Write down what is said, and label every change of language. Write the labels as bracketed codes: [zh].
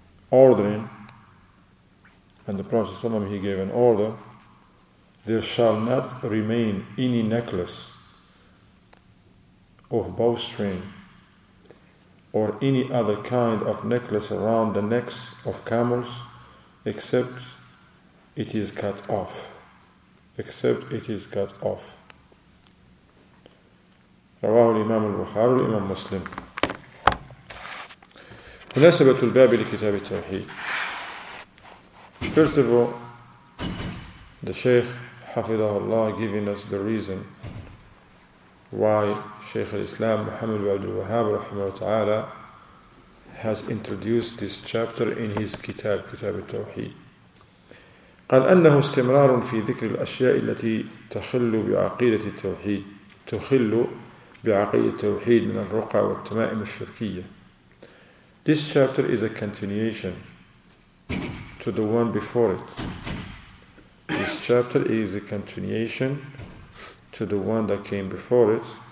[en] ordering, and the Prophet ﷺ, he gave an order, there shall not remain any necklace of bowstring or any other kind of necklace around the necks of camels except it is cut off, except it is cut off. [ar] رواه الإمام البخاري والإمام مسلم. مناسبة الباب لكتاب التوحيد. [en] First of all, the Shaykh حفظه الله giving us the reason why Shaykh al-Islam Muhammad ibn al-Wahhab رحمه وتعالى has introduced this chapter in his kitab, كتاب التوحيد. [ar] قال أنه استمرار في ذكر الأشياء التي تخل بعقيدة التوحيد, تخل بعقيدة التوحيد من الرقى والتمائم الشركية. [en] This chapter is a continuation to the one before it. This chapter is a continuation to the one that came before it.